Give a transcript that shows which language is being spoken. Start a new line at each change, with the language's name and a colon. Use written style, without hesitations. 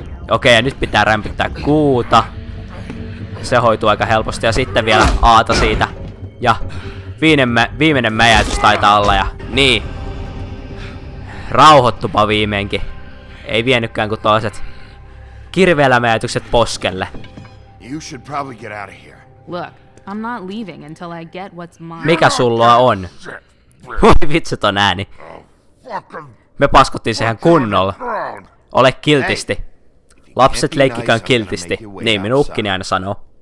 Finnish: Okei, ja nyt pitää rämpyttää kuuta. Se hoituu aika helposti ja sitten vielä aata siitä. Ja viimeinen mäjäytys taitaa olla ja niin. Rauhoittupa viimeinkin. Ei vienykään kuin tollaset kirveelämäjätykset poskelle.
English: You should probably get out of here. Look, I'm not leaving until I get what's mine.
Finnish: Mikä sulla on? Voi vitsi ton ääni. Me paskottiin sehän kunnolla. Ole kiltisti. Lapset leikkikään kiltisti. Niin minun ukkini aina sanoo.